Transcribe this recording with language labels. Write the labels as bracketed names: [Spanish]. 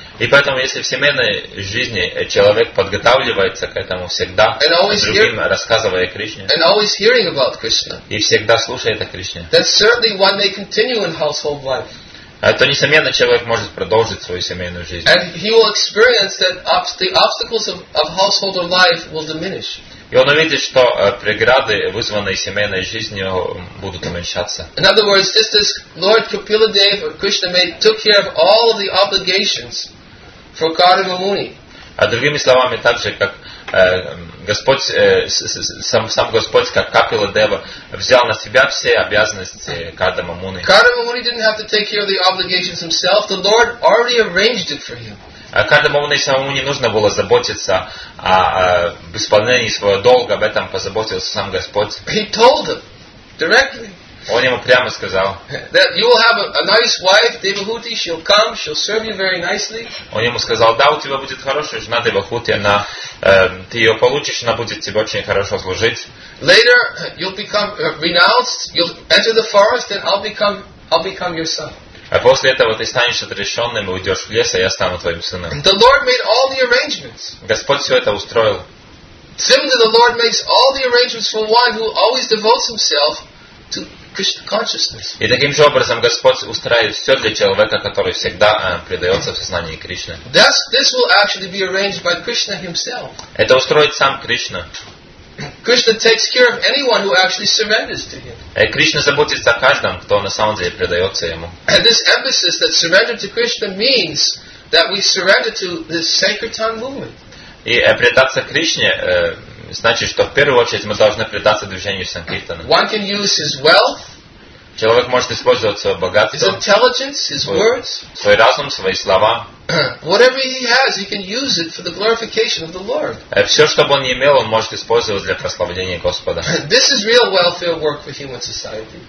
[Russian] И поэтому, если в семейной жизни человек подготавливается к этому всегда, другим рассказывая о Кришне, [English] and always hearing about Krishna, [Russian] и всегда слушает о Кришне, [English] then certainly one may continue in household life. [Russian] То, несомненно, человек может продолжить свою семейную жизнь. [English] And he will experience that the obstacles of householder life will diminish. [Russian] И он увидит, что преграды, вызванные семейной жизнью, будут уменьшаться. [English] In other words, just as Lord Kapiladev or Krishna made took care of all of the obligations for Karuna Muni. [Russian] А другими словами, так же, как Господь, сам Господь, как Капила Дева, взял на себя все обязанности Кардама Муни. [English] Кардама Муни didn't have to take care of the obligations himself. The Lord already arranged it for him. [Russian] Кардама Муни самому не нужно было заботиться об исполнении своего долга, об этом позаботился сам Господь. [English] He told him directly. [Russian] Он ему прямо сказал. [English] That you will have a nice wife, Devahuti. She'll come, she'll serve you very nicely. [Russian] Он ему сказал: да, у тебя будет хорошая жена, Девахути, она, ты ее получишь, она будет тебе очень хорошо служить. [English] Later you'll become renounced, you'll enter the forest, and I'll become your son. [Russian] А после этого ты станешь отрешенным и уйдешь в лес, а я стану твоим сыном. [English] The Lord made all the arrangements. [Russian] Господь все это устроил. [English] Similarly, the Lord makes all the arrangements for one who always devotes himself to Krishna consciousness. [Russian] И таким же образом Господь устраивает все для человека, который всегда предается в сознании Кришны. [English] This will actually be arranged by Krishna himself. [Russian] Это устроит сам Кришна. [English] Krishna takes care of anyone who actually surrenders to him. [Russian] Кришна заботится о каждом, кто на самом деле предается ему. [English] And this emphasis that surrender to Krishna means that we surrender to this Sankirtan movement. [Russian] И предаться Кришне значит, что в первую очередь мы должны предаться движению Санкиртана. [English] One can use his wealth. [Russian] Человек может использовать свое богатство. [English] His intelligence, his words. [Russian] Свой разум, свои слова. [English] Whatever he has, he can use it for the glorification of the Lord. [Russian] Все, что бы он имел, он может использовать для прославления Господа. [English] This is real welfare work for human society.